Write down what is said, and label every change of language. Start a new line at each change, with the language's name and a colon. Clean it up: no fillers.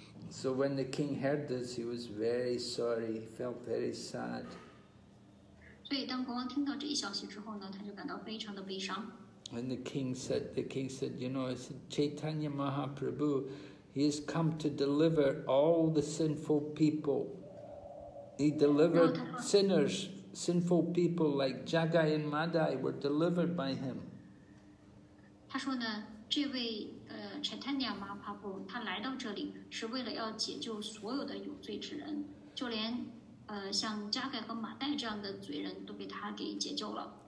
English: So when the king heard this, he was very sorry. He felt very sad.
Chinese: 所以当国王听到这一消息之后呢，他就感到非常的悲伤。
English: And the king said, you know, Chaitanya Mahaprabhu. He has come to deliver all the sinful people. He delivered sinners, sinful people like Jagai and Madai were delivered by him.
Chinese: 他说呢，这位Chaitanya Mahaprabhu 他来到这里是为了要解救所有的有罪之人，就连像 Jagai 和 Madai 这样的罪人都被他给解救了。